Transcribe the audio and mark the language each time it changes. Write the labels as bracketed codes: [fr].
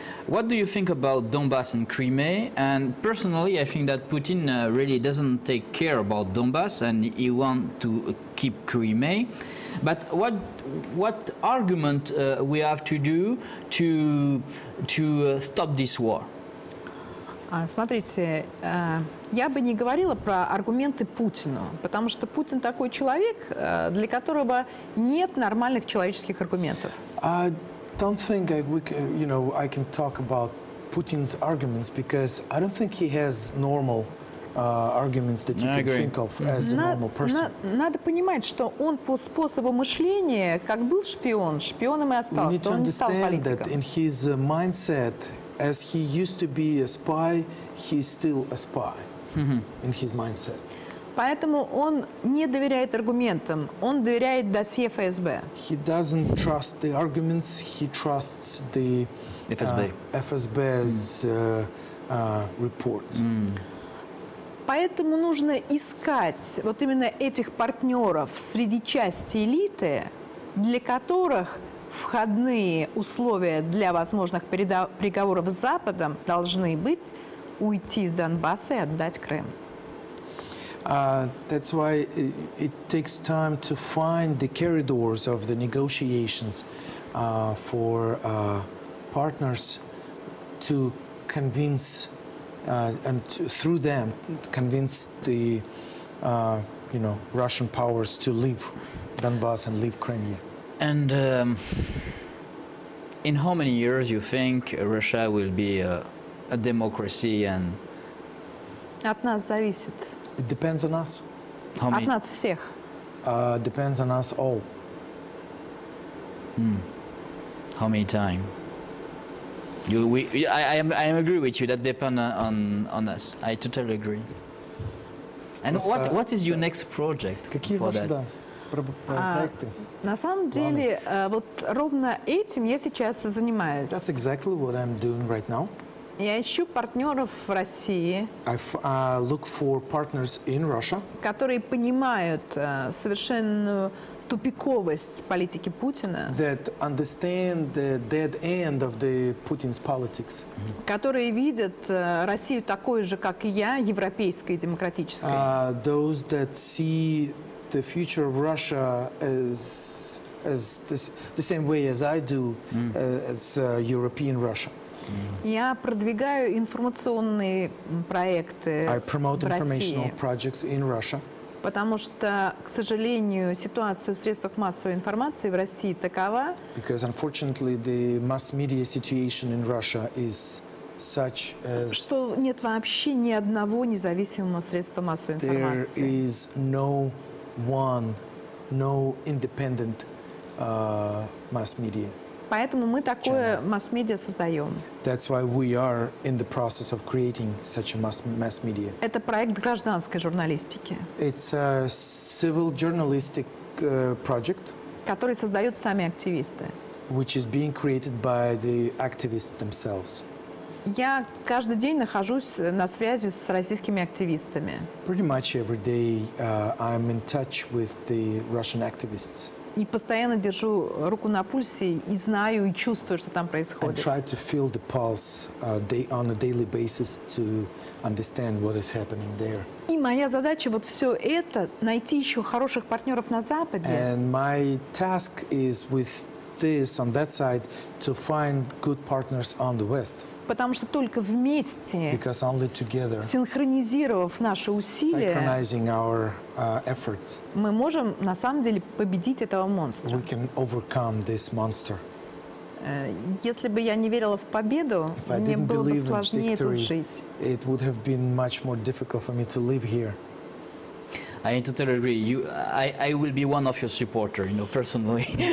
[en] What do you think about Donbass and Crimea? And personally, I think that Putin really doesn't take care about Donbass and he wants to keep Crimea. But what argument we have to do to stop this war? [ru] Смотрите, я бы не говорила про аргументы Путину, потому что Путин такой человек, для которого нет нормальных человеческих аргументов. [en] Don't think I can talk about Putin's arguments because I don't think he has normal arguments that you can think of as a normal person. [ru] Надо понимать, что он по способу мышления, как был шпион, шпионом и остался. [en] We need to understand that in his mindset, as he used to be a spy, he's still a spy in his mindset. [ru] Поэтому он не доверяет аргументам, он доверяет досье ФСБ. [en] He doesn't trust the arguments, he trusts the FSB's reports. [ru] Поэтому нужно искать вот именно этих партнеров среди части элиты, для которых входные условия для возможных переговоров с Западом должны быть уйти из Донбасса и отдать Крым. [en] That's why it takes time to find the corridors of the negotiations for partners to convince and through them convince the Russian powers to leave Donbass and leave Crimea. And in how many years you think Russia will be a democracy? And [ru] от нас зависит. [en] It depends on us. How many? [ru] От нас всех. [en] Depends on us all. How many time? I agree with you. That depends on us. I totally agree. And what is your next project? [ru] Какие ваши, да? проекты. На самом деле, вот ровно этим я сейчас и занимаюсь. [en] That's exactly what I'm doing right now. [ru] Я ищу партнеров в России, [en] look for partners in Russia, [ru] которые понимают совершенную тупиковость политики Путина, [en] that understand the dead end of the Putin's politics, [ru] которые видят Россию такой же, как и я, европейской, демократической. [en] Those that see the future of Russia as this, the same way as I do, as European Russia. [ru] Я продвигаю информационные проекты в России. Потому что, к сожалению, ситуация в средствах массовой информации в России такова. [en] Because unfortunately the mass media situation in Russia is such as. [ru] Что нет вообще ни одного независимого средства массовой информации. [en] There is no one, no independent mass media. [ru] Поэтому мы такое масс-медиа создаем. [en] That's why we are in the process of creating such a mass media. [ru] Это проект гражданской журналистики. [en] It's a civil journalistic project. [ru] Который создают сами активисты. [en] Which is being created by the activists themselves. [ru] Я каждый день нахожусь на связи с российскими активистами. [en] Pretty much every day I'm in touch with the Russian activists. [ru] И постоянно держу руку на пульсе и знаю и чувствую, что там происходит. [en] I try to feel the pulse on a daily basis to understand what is happening there. [ru] И моя задача вот все это найти еще хороших партнеров на Западе. [en] And my task is with this on that side to find good partners on the West. [ru] Потому что только вместе, [en] because only together, [ru] синхронизировав наши усилия, [en] synchronizing our, efforts, [ru] мы можем на самом деле победить этого монстра. [en] We can overcome this monster. [ru] Если бы я не верила в победу, [en] if I [ru] мне было бы сложнее [en] victory, [ru] тут жить. [en] It would have been much more difficult for me to live here. I totally agree. I will be one of your supporters, you know, personally.